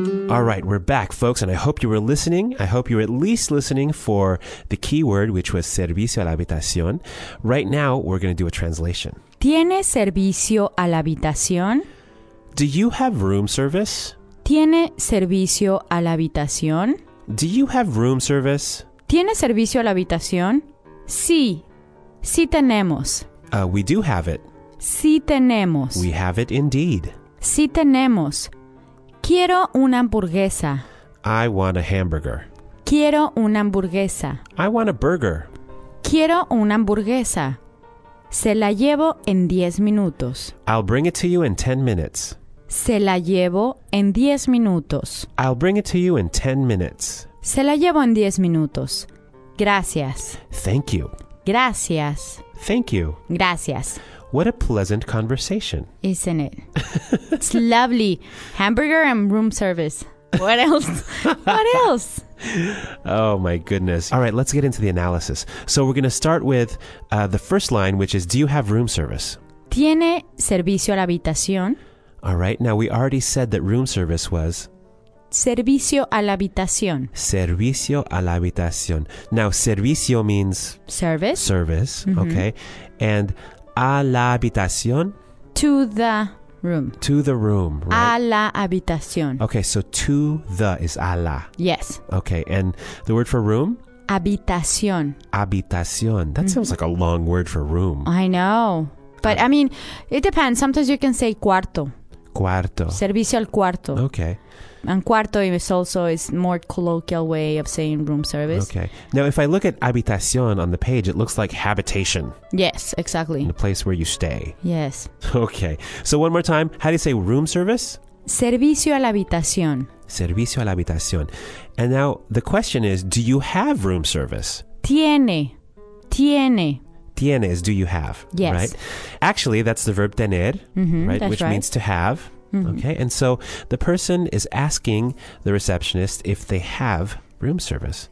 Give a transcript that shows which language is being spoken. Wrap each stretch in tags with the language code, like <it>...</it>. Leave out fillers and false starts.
<en>All right, we're back, folks, and I hope you were listening. I hope you were at least listening for the key word, which was</en> <es>servicio a la habitación.</es> <en>Right now, we're going to do a translation.</en> <es>¿Tiene servicio a la habitación?</es> <en>Do you have room service?</en> <es>¿Tiene servicio a la habitación?</es> <en>Do you have room service?</en> <es>¿Tiene servicio a la habitación? Sí. Sí tenemos.</es> <en>We do have it.</en> <es>Sí tenemos.</es> <en>We have it indeed.</en> <es>Sí tenemos. Quiero una hamburguesa.</es> <en>I want a hamburger.</en> <es>Quiero una hamburguesa.</es> <en>I want a burger.</en> <es>Quiero una hamburguesa. Se la llevo en 10 minutos.</es> <en>I'll bring it to you in 10 minutes.</en> <es>Se la llevo en 10 minutos.</es> <en>I'll bring it to you in 10 minutes.</en> <es>Se la llevo en 10 minutos. Gracias.</es> <en>Thank you.</en> <es>Gracias.</es> <en>Thank you.</en> <es>Gracias.</es> <en>What a pleasant conversation. Isn't it? It's lovely. Hamburger and room service. What else? What else? Oh, my goodness. All right, let's get into the analysis. So we're going to start with the first line, which is, do you have room service?</en> <es>¿Tiene servicio a la habitación?</es> <en>All right, now we already said that room service was...</en> <es>Servicio a la habitación. Servicio a la habitación.</es> <en>Now, servicio means... Service. Service, mm-hmm. Okay. And...</en> <es>A la habitación?</es> <en>To the room. To the room, right?</en> <es>A la habitación.</es> <en>Okay, so to the is a la. Yes. Okay, and the word for room?</en> <es>Habitación. Habitación.</es> <en>That mm-hmm. sounds like a long word for room. I know. But, I mean, it depends. Sometimes you can say cuarto.</en> <es>Cuarto. Servicio al cuarto.</es> <en>Okay. And cuarto is also a more colloquial way of saying room service. Okay. Now, if I look at habitación on the page, it looks like habitation. Yes, exactly. The place where you stay. Yes. Okay. So one more time, how do you say room service?</en> <es>Servicio a la habitación. Servicio a la habitación.</es> <en>And now the question is, do you have room service?</en> <es>Tiene. Tiene.</es> <en>Tiene is do you have. Yes. Right? Actually, that's the verb tener, mm-hmm, right? Which right. means to have. Mm-hmm. Okay, and so the person is asking the receptionist if they have room service.</en>